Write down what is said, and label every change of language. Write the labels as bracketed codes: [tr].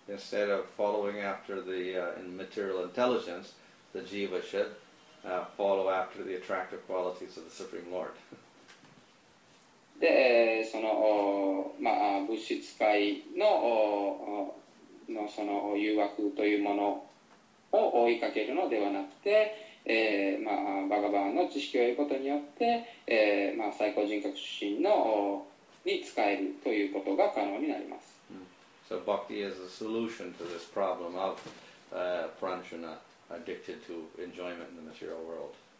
[en] Instead of following after the material intelligence, the jiva should follow after the attractive qualities of the Supreme Lord. [ja] で、その、まあ、物質界の、のその誘惑というものを追いかけるのではなくて、まあ、バガバンの知識を得ることによって、まあ、最高人格出身のに使えるということが可能になります。 Mm. [en] So bhakti is a solution to this problem of pranjana addicted to enjoyment in the material world.